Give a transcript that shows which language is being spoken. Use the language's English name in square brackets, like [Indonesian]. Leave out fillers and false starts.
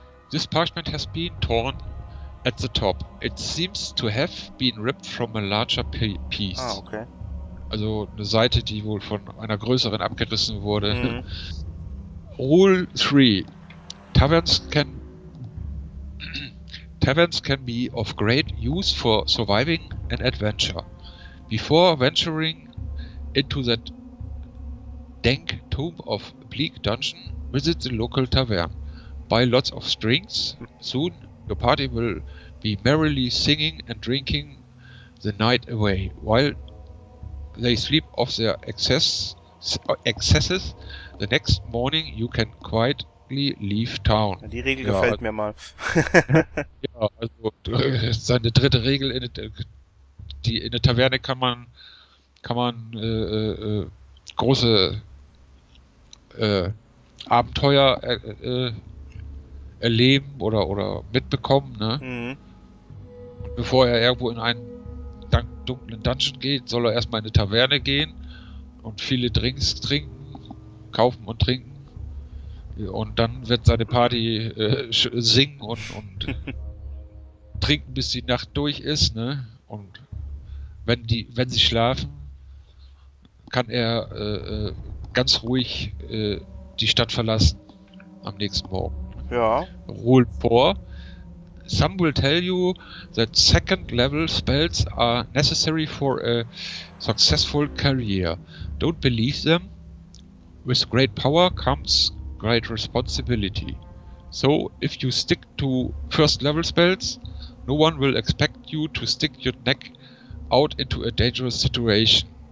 [English] This parchment has been torn at the top. It seems to have been ripped from a larger piece. Ah, okay. [German] Also eine Seite, die wohl von einer größeren abgerissen wurde. [English] Rule 3. Taverns can be of great use for surviving an adventure. Before venturing into that dank tomb of bleak dungeon, visit the local tavern. Buy lots of drinks. Soon your party will be merrily singing and drinking the night away. While they sleep off their excesses, the next morning you can quite leave town. [German] Die Regel gefällt mir mal. Ja, also seine dritte Regel, in der Taverne kann man große Abenteuer erleben oder mitbekommen, ne? Bevor er irgendwo in einen dunklen Dungeon geht, soll er erstmal in eine Taverne gehen und viele Drinks trinken, kaufen und trinken. Und dann wird seine Party singen und trinken, bis die Nacht durch ist, ne? Und wenn sie schlafen, kann er ganz ruhig die Stadt verlassen am nächsten Morgen. Ja. [English] Rule 4. Some will tell you that second level spells are necessary for a successful career. Don't believe them. With great power comes great responsibility. So, if you stick to first level spells, no one will expect you to stick your neck out into a dangerous situation.